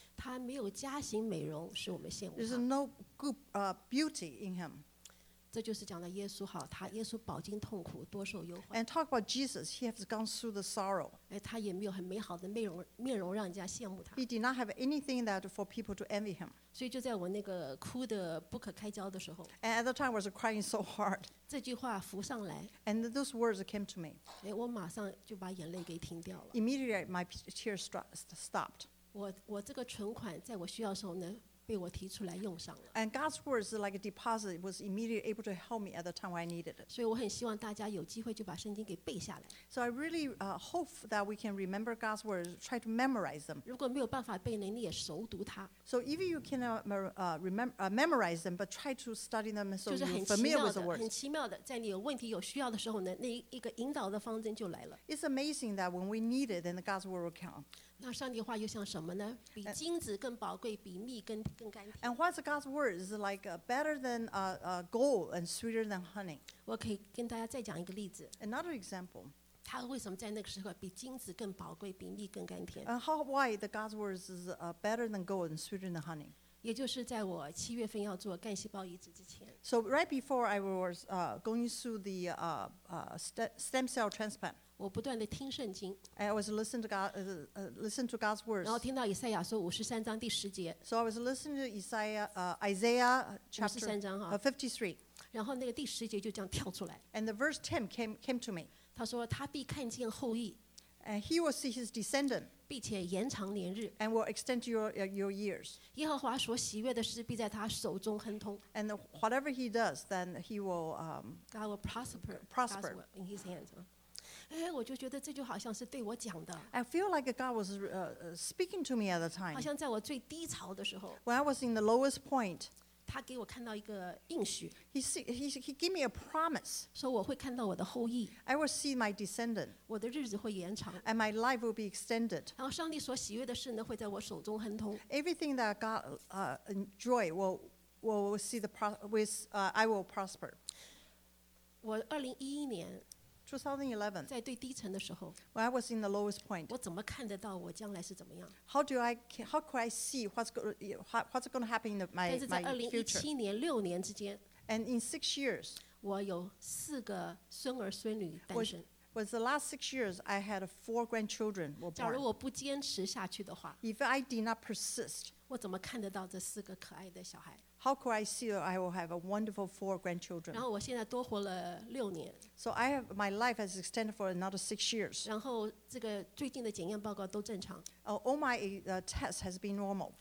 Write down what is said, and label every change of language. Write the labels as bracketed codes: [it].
[zh] 他没有家型美容，使我们羡慕。 [en] There's no good beauty in him. [zh] 这就是讲的耶稣哈，他耶稣饱经痛苦，多受忧患。 [en] And talk about Jesus, he has gone through the sorrow. [zh] 哎，他也没有很美好的面容让人家羡慕他。 [en] He did not have anything that for people to envy him. [zh] 所以就在我那个哭得不可开交的时候 [en] And at the time I was crying so hard [zh] 这句话浮上来 [en] And those words came to me [zh] 哎，我马上就把眼泪给停掉了 [en] Immediately my tears stopped [zh] 我这个存款在我需要的时候呢被我提出来用上了 [en] And God's words like a deposit was immediately able to help me at the time when I needed it [zh] 所以我很希望大家有机会就把圣经给背下来 [en] So I really hope that we can remember God's words try to memorize them [zh] 如果没有办法背呢你也熟读它 [en] So if you cannot memorize them but try to study them so you're familiar with the words [zh] 很奇妙的在你有问题有需要的时候呢那一个引导的方针就来了 [en] It's amazing that when we need it then the God's word will come [zh] 那上帝话又像什么呢？比金子更宝贵，比蜜更甘甜。 [en] And what's God's word is like better than gold and sweeter than honey. [zh] 我可以跟大家再讲一个例子。 [en] Another example. [zh] 他为什么在那个时候比金子更宝贵，比蜜更甘甜 [en] ？And how why the God's word is better than gold and sweeter than honey? [zh] 也就是在我七月份要做干细胞移植之前。 [en] So right before I was going through the stem cell transplant. [zh] 我不断地听圣经 [en] I was listening to God's words [zh] 然后听到以赛亚说53章第10节 [en] So I was listening to Isaiah chapter 53 [zh] 然后那个第十节就这样跳出来 [en] And the verse 10 came to me [zh] 他说他必看见后裔 [en] And he will see his descendant [zh] 并且延长年日。 [en] And will extend your years. [zh] 耶和华所喜悦的事必在他手中亨通。 [en] And whatever he does, then he will God will prosper in his hands. [zh] 哎，我就觉得这就好像是对我讲的。 [en] I feel like God was speaking to me at the time. [zh] 好像在我最低潮的时候。 [en] When I was in the lowest point. [zh] 他给我看到一个应许。 [en] He gave me a promise. [zh] 说我会看到我的后裔。 [en] I will see my descendant. [zh] 我的日子会延长。 [en] And my life will be extended. [zh] 然后上帝所喜悦的事呢，会在我手中亨通。 [en] Everything that God enjoy will see the I will prosper. [zh] 我2011年。 [en] 2011, [zh] 在最低层的时候, [en] when I was in the lowest point, [zh] 我怎么看得到我将来是怎么样? [en] How could I see what's going to happen in my future? [zh] 但是在2017年六年之间, [en] and in 6 years, [zh] 我有四个孙儿孙女单身。 [en] Was the last 6 years I had 4 grandchildren were born. [zh] 假如我不坚持下去的话, [en] if I did not persist, [zh] 我怎么看得到这四个可爱的小孩? [en] How could I see that I will have a wonderful 4 grandchildren? [zh] 然后我现在多活了六年。 [en] So I have, my life has extended for another 6 years. [zh] 然后这个最近的检验报告都正常。 [en] All my tests has been normal.